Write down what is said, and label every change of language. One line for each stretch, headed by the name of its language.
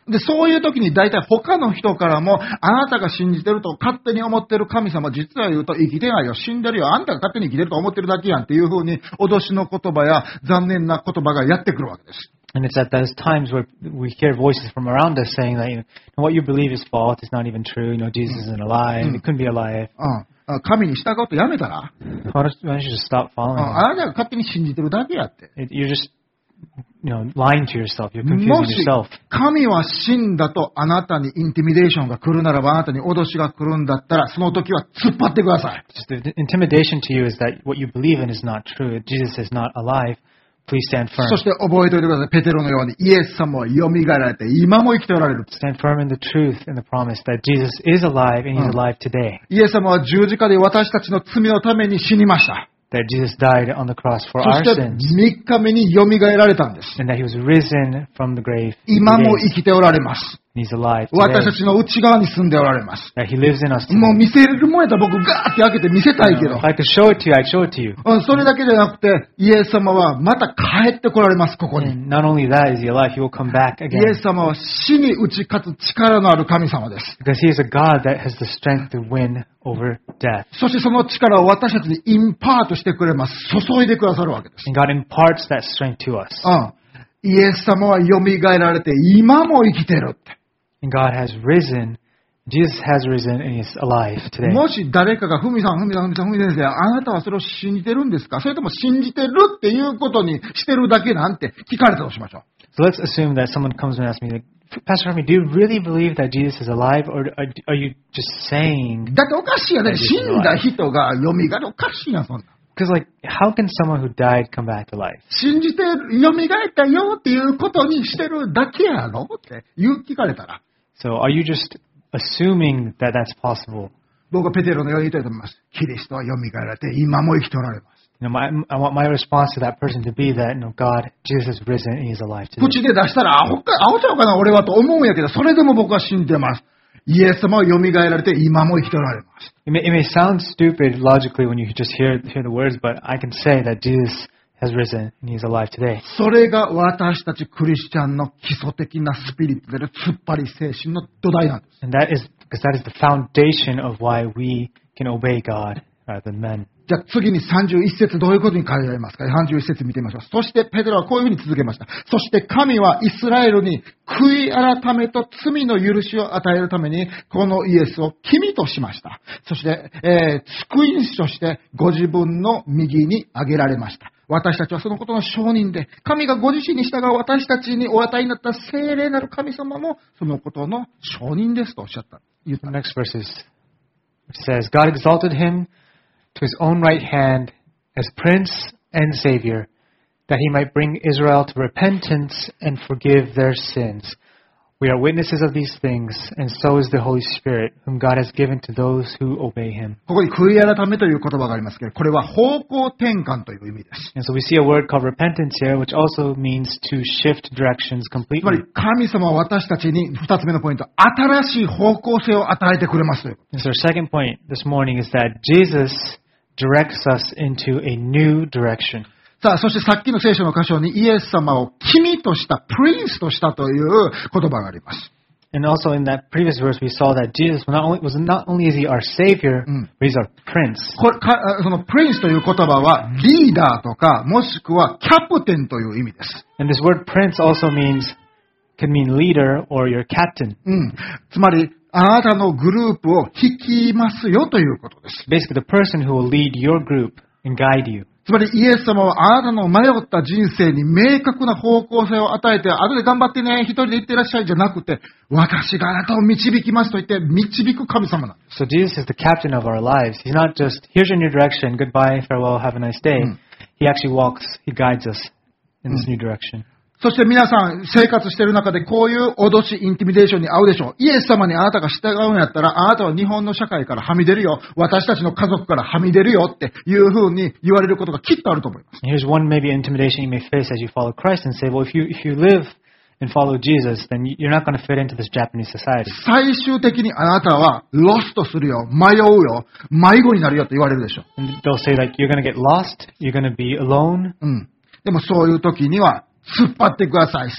Japanese: で、そういう時に大体他の人からも、あなたが信じてると勝手に思ってる神様、実は言うと生きてないよ、死んでるよ、あんたが勝手に生きてると思ってるだけやんっていうふうに脅しの言葉や残念な言葉がやってくるわけです。
English: And it's at those times where we hear voices from around us saying that, you know, what you believe is false, it's not even true, you know, Jesus isn't alive, it couldn't be alive.
Japanese: 神に従うとやめたら?
English: Why don't you just stop following?
Japanese: あなたが勝手に信じてるだけやって。
English: You're just, you know, lying to yourself. You're confusing yourself.
Japanese: もし神は死んだとあなたにインティミデーションが来るならば、あなたに脅しが来るんだったら、その時は突っ張ってください。
English: Just the intimidation to you is that what you believe in is not true. Jesus is not alive. Please stand firm.
Japanese: そして覚えておいてください。ペテロのようにイエス様はよみがえられて今も生きておられる。
English: Stand firm in the truth and the promise that Jesus is alive and He's alive today.
Japanese: イエス様は十字架で私たちの罪のために死にました。
English: That Jesus died on the cross for our sins.
Japanese: そして3日目によみがえられたんです。
English: And that He was risen from the grave.
Japanese: 今も生きておられます。
English: He's alive today.
Japanese: 私たちの内側に住んでおられます。
English: That he lives in us today.
Japanese: もう見せれるもんやったら僕ガーって開けて見せたいけど。
English: If I could show it to you, I'd show it to you.
Japanese: それだけじゃなくて、イエス様はまた帰って来られます、ここに。
English: And not only that, is he alive, he will come back again.
Japanese: イエス様は死に打ち勝つ力のある神様です。
English: Because he is a God that has the strength to win over death.
Japanese: そしてその力を私たちにインパートしてくれます。注いでくださるわけです。
English: And God imparts that strength to us.
Japanese: イエス様は蘇られて今も生きてるって。
English: And God has risen. Jesus has risen and is alive today.
Japanese: もし誰かがフミさん、フミさん、フミさん、フミ先生、あなたはそれを信じてるんですか？それとも信じてるっていうことにしてるだけなんて聞かれたとしましょう。
English: So let's assume that someone comes and asks me, Pastor Fumi, do you really believe that Jesus is alive, or are you just saying?
Japanese: だっておかしいよね。死んだ人が蘇るおかしいな、そんな。
English: Because like, how can someone who died come back to life?
Japanese: 信じて蘇ったよっていうことにしてるだけやろって言う聞かれたら。
English: So are you just assuming that that's possible?
Japanese: 僕はペテロのように言いたいと思います。キリストは蘇られて今も生きておられます。
English: You know, I want my response to that person to be that, you know, God, Jesus has risen and he's alive today.
Japanese: 口で出したらアホちゃうかな俺はと思うんやけど、それでも僕は信じてます。イエス様は蘇られて今も生きておられます。
English: It may sound stupid logically when you just hear the words, but I can say that Jesus has risen and he's alive today.
Japanese: それが私たちクリスチャンの基礎的なスピリットである突っ張り精神の土台なんです。
English: And that is because that is the foundation of why we can obey God rather than men.
Japanese: じゃあ次に31節どういうことに書いてありますか ?31 節見てみましょう。そしてペテロはこういうふうに続けました。そして神はイスラエルに悔い改めと罪の許しを与えるためにこのイエスを君としました。そして、救い主としてご自分の右に挙げられました。私たちはそのことの証人で、神がご自身に従う私たちにお与えになった聖霊なる神様もそのことの証人ですとおっしゃった。
English: The next verse is, it says, God exalted him to his own right hand as prince and savior, that he might bring Israel to repentance and forgive their sins. We are witnesses of these things, and so is the Holy Spirit, whom God has given to those who obey Him.
Japanese: ここに悔い改めという言葉がありますけど、これは方向転換という意味です。
English: And so we see a word called repentance here, which also means to shift directions completely.
Japanese: つまり神様は私たちに二つ目のポイント、新しい方向性を与えてくれます。
English: And so our second point this morning is that Jesus directs us into a new direction.
Japanese: さあ、そしてさっきの聖書の箇所にイエス様を君とした、プリンスとしたという言葉があります。
English: And also in that previous verse we saw that Jesus was not only is he our savior, but he's our prince.
Japanese: そのプリンスという言葉はリーダーとかもしくはキャプテンという意味です。
English: And this word prince also means can mean leader or your captain.
Japanese: つまりあなたのグループを率いますよということです。
English: Basically the person who will lead your group and guide you.
Japanese: つまりイエス様はあなたの迷った人生に明確な方向性を与えて、後で頑張ってね、一人で行ってらっしゃいじゃなくて、私があなたを導きますと言って導く神様なんです。
English: So Jesus is the captain of our lives. He's not just here's your new direction, goodbye, farewell, have a nice day.、He actually walks, he guides us in this new direction.、
Japanese: そして皆さん生活している中でこういう脅し、インティミデーションに遭うでしょう。イエス様にあなたが従うんやったら、あなたは日本の社会からはみ出るよ、私たちの家族からはみ出るよっていうふうに言われることがきっとあると思います。
English: Here's one maybe intimidation you may face as you follow Christ and say, well, if you live and follow Jesus, then you're not going to fit into this Japanese society.
Japanese: 最終的にあなたはロストするよ、迷うよ、迷子になるよと言われるでしょう。
English: And they'll say like you're going to get lost, you're going to be alone.
Japanese: でもそういう時には突っ張ってください。